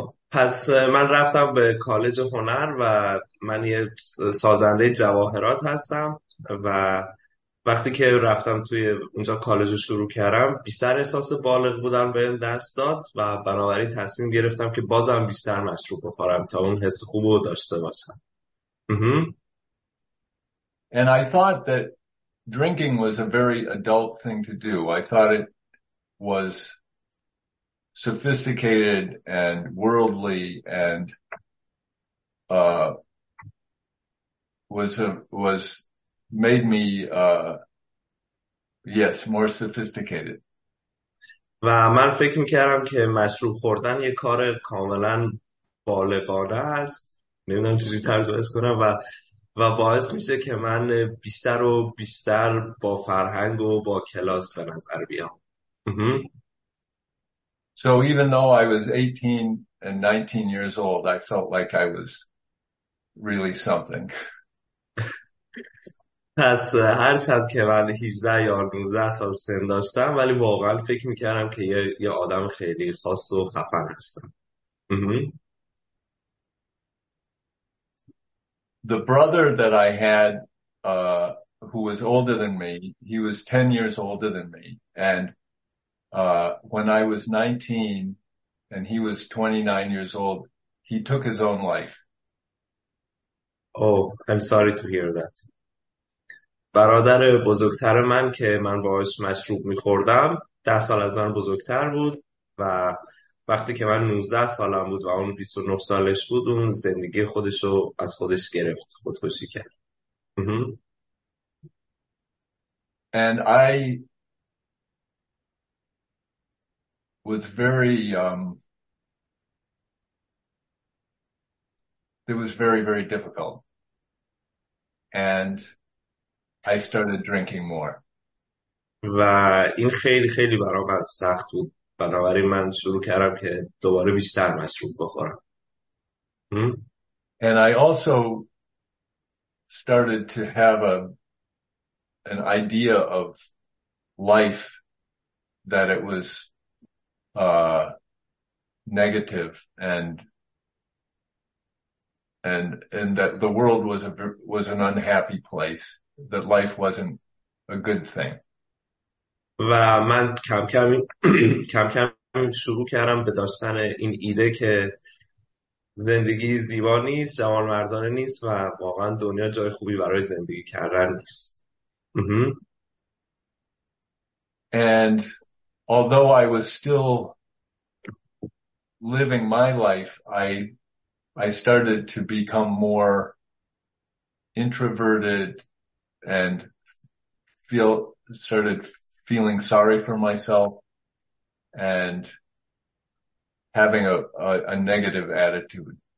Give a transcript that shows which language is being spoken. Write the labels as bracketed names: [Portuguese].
[Persian] پس من رفتم به کالج هنر و من یه سازنده جواهرات هستم و وقتی که رفتم توی اونجا کالج شروع کردم بیشتر احساس بالغ بودم به دست داد و بنابراین تصمیم گرفتم که بازم بیشتر مشروب بخورم تا اون حس خوب رو داشته باشم. [English] And I thought that drinking was a very adult thing to do. I thought it was sophisticated and worldly and was made me yes, more sophisticated. [Persian] و من فکر می‌کردم که مشروب خوردن یه کار کاملاً بالغانه است. نمی‌دونم چجوری ترجمه کنم و باعث میشه که من بیشتر و بیشتر با فرهنگ و با کلاس به نظر بیام. [English] So even though I was 18 and 19 years old, I felt like I was really something. [Persian] پس هرچند که من 18 یا 19 سال سن داشتم ولی واقعا فکر میکردم که یه آدم خیلی خاص و خفن هستم. [English] The brother that I had, who was older than me, he was 10 years older than me. And when I was 19 and he was 29 years old, he took his own life. Oh, I'm sorry to hear that. [Persian] برادر بزرگتر من که من باهاش مشروب میخوردم 10 سال از من بزرگتر بود و وقتی که من 19 سالم بود و اون 29 سالش بود اون زندگی خودش رو از خودش گرفت، خودکشی کرد. [English] And I was very, it was very, very difficult. And I started drinking more. [Persian] و این خیلی خیلی برام سخت بود. بنابراین من شروع کردم که دوباره بیشتر مشروب بخورم. [English] And I also started to have an idea of life that it was negative and that the world was an unhappy place, that life wasn't a good thing. [Persian] و من کم کم شروع کردم به داشتن این ایده که زندگی زیبا نیست، جوان مردانه نیست و واقعا دنیا جای خوبی برای زندگی کردن نیست. [English] And although I was still living my life, I started to become more introverted and started feeling sorry for myself and having a negative attitude.